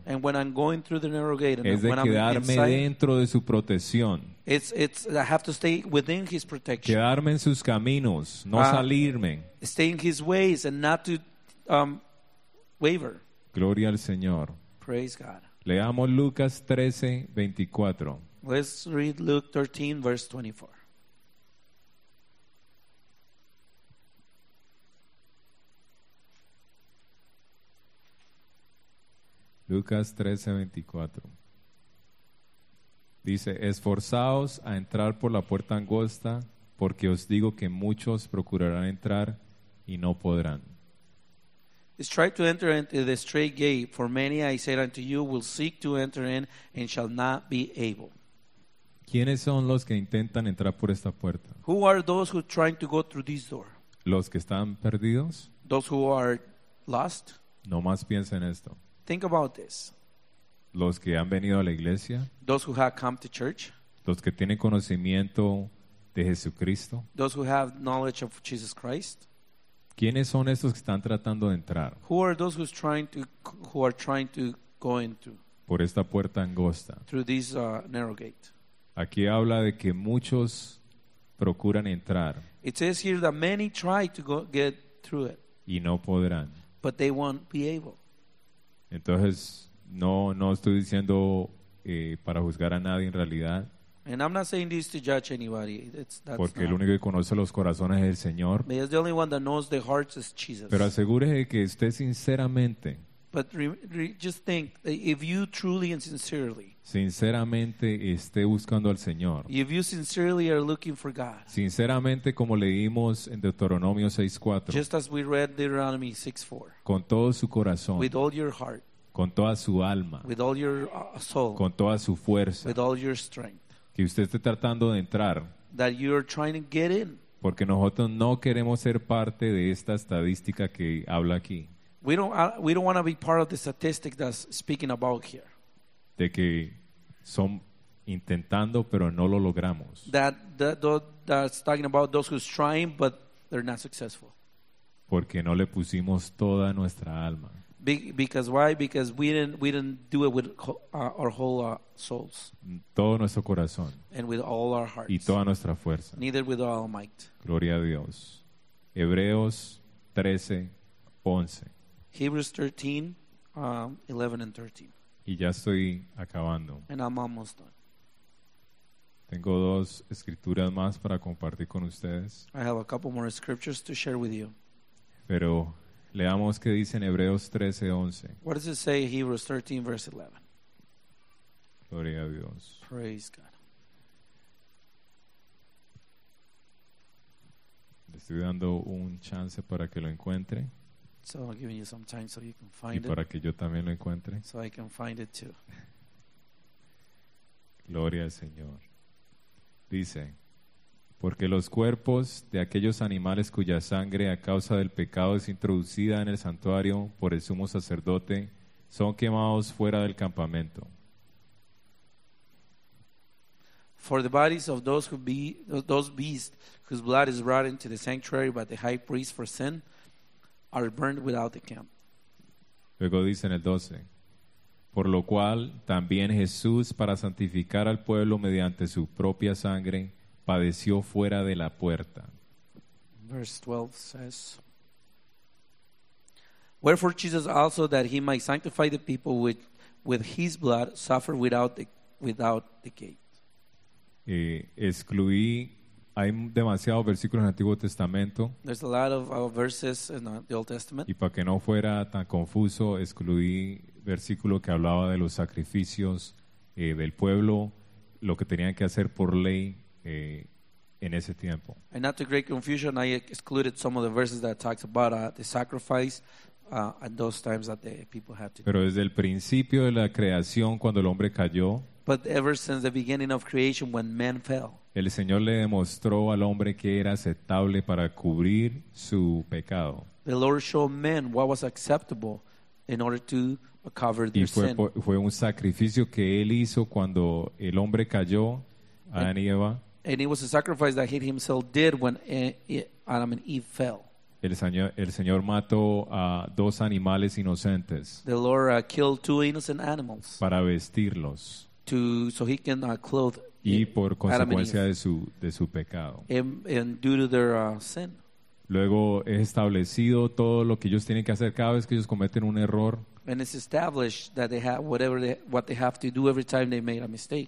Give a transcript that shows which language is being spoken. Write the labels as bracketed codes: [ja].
[en] and when I'm going through the narrow gate, [es] es de [en] when [es] quedarme [en] inside, [es] dentro de su protección. [en] It's I have to stay within his protection. [es] Quedarme en sus caminos, no salirme. [en] Stay in his ways and not to waver. [es] Gloria al Señor. [en] Praise God. [es] Leamos Lucas 13:24. [en] Let's read Luke 13:24. [es] Lucas 13:24. Dice, esforzaos a entrar por la puerta angosta, porque os digo que muchos procurarán entrar y no podrán. [en] Strive to enter into the straight gate, for many, I say unto you, will seek to enter in and shall not be able. [es] ¿Quiénes son los que intentan entrar por esta puerta? [en] Who are those who are trying to go through this door? [es] ¿Los que están perdidos? [en] Those who are lost? [es] No más piensen esto. [en] Think about this. [es] Los que han venido a la iglesia. [en] Those who have come to church. [es] Los que tienen conocimiento de Jesucristo. [en] Those who have knowledge of Jesus Christ. [es] ¿Quiénes son estos que están tratando de entrar? [en] Who are those who's trying to, who are trying to go into? [es] Por esta puerta angosta. [en] Through this narrow gate. [es] Aquí habla de que muchos procuran entrar. [en] It says here that many try to go, get through it. [es] Y no podrán. [en] But they won't be able. [es] Entonces, no estoy diciendo para juzgar a nadie en realidad. [en] And I'm not saying this to judge anybody. That's [es] porque [en] not. [es] El único que conoce los corazones es el Señor. [en] Because the only one that knows the hearts is Jesus. [es] Pero asegúrese que usted sinceramente. [en] But just think, if you truly and sincerely. [es] Sinceramente esté buscando al Señor. [en] If you sincerely are looking for God. [es] Sinceramente como leímos en Deuteronomio 6:4. [en] Just as we read Deuteronomy 6:4. [es] Con todo su corazón. [en] With all your heart. [es] Con toda su alma. [en] With all your soul. [es] Con toda su fuerza. [en] With all your strength. [es] Que usted esté tratando de entrar. [en] That you're trying to get in. [es] Porque nosotros no queremos ser parte de esta estadística que habla aquí. [en] We don't want to be part of the statistic that's speaking about here. [es] De que son intentando pero no lo logramos. [en] That's talking about those who's trying but they're not successful. [es] Porque no le pusimos toda nuestra alma. [en] Because why? Because we didn't do it with our whole souls. [es] Todo nuestro corazón. [en] And with all our hearts. [es] Y toda nuestra fuerza. [en] Neither with all might. [es] Gloria a Dios. Hebreos 13:11. [en] Hebrews 13, 11 and 13. [es] Y ya estoy acabando. [en] And I'm almost done. [es] Tengo dos escrituras más para compartir con ustedes. [en] I have a couple more scriptures to share with you. [es] Pero leamos qué dice en Hebreos 13:11. [en] What does it say in Hebrews 13, verse 11? [es] Gloria a Dios. [en] Praise God. [es] Le estoy dando un chance para que lo encuentre. [en] So I'm giving you some time so you can find it. [es] Y para que yo también lo encuentre. [en] So I can find it too. [es] Gloria al Señor. Dice, porque los cuerpos de aquellos animales cuya sangre a causa del pecado es introducida en el santuario por el sumo sacerdote son quemados fuera del campamento. [en] For the bodies of those beasts whose blood is brought into the sanctuary by the high priest for sin are burned without the camp. [es] Luego dice en el 12, por lo cual también Jesús, para santificar al pueblo mediante su propia sangre, padeció fuera de la puerta. [en] Verse 12 says, wherefore Jesus also, that he might sanctify the people with his blood, suffered without the gate. [es] Excluí. Hay demasiados versículos en el Antiguo Testamento. [en] There's a lot of verses in the Old Testament. [es] Y para que no fuera tan confuso, excluí versículo que hablaba de los sacrificios del pueblo, lo que tenían que hacer por ley. En ese tiempo. [en] And not to create confusion, I excluded some of the verses that talks about the sacrifice at those times that the people had to. [es] Pero desde el principio de la creación, cuando el hombre cayó. [en] But ever since the beginning of creation, when man fell. [es] El Señor le demostró al hombre que era aceptable para cubrir su pecado. [en] The Lord showed man what was acceptable in order to cover their sin. [es] Y fue un sacrificio que él hizo cuando el hombre cayó. Adán y Eva. [en] And it was a sacrifice that he himself did when Adam and Eve fell. [es] El Señor mató a dos animales inocentes. [en] The Lord killed two innocent animals. [es] Para vestirlos. [en] So he can clothe Adam and [es] Eve. Y por consecuencia de su pecado. [en] And due to their sin. [es] Luego es establecido todo lo que ellos tienen que hacer cada vez que ellos cometen un error. [en] And it's established that they have whatever what they have to do every time they made a mistake.